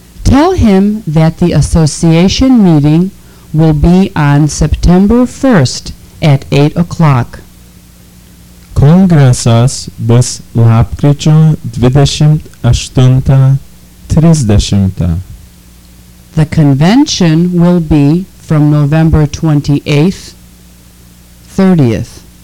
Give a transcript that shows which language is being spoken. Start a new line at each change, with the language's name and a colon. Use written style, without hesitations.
English: Tell him that the association meeting will be on September 1st at 8 o'clock.
Lithuanian: Kongresas bus lapkričio 28-30.
English: The convention will be from November 28th, 30th.